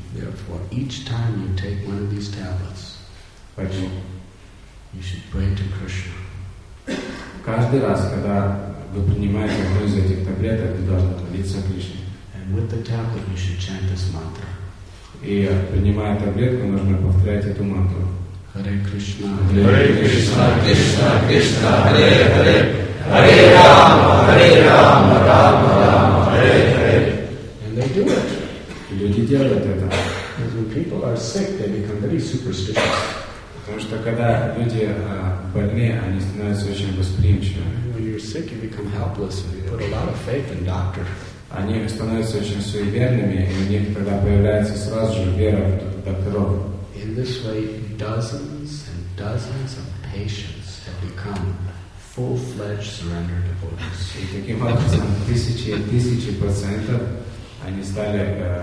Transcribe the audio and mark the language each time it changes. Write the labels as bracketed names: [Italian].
[English] Therefore, each time you take one of these tablets, [Russian] поэтому [English] you should pray to Krishna. [Russian] Каждый раз, когда вы принимаете одну из этих таблеток, ты должен молиться Кришне. [English] And with the tablet, you should chant this mantra. [Russian] И принимая таблетку, нужно повторять эту мантру. [Sanskrit] Hare Krishna, Hare Krishna, Krishna Krishna, Hare Hare, Hare Rama, Hare Rama, Rama Rama, Hare Hare. [English] And they do it. [Russian] И люди делают это. [English] Because when people are sick, they become very superstitious. [Russian] Потому что когда люди больны, они становятся очень восприимчивыми. [English] When you're sick, you become helpless, and you put a lot of faith in doctor. [Russian] Они становятся очень суеверными, и у них тогда появляется сразу же вера в докторов. [English] In this way, dozens and dozens of patients have become full-fledged surrender devotees. [Russian] И таким образом, тысячи и тысячи пациентов, они стали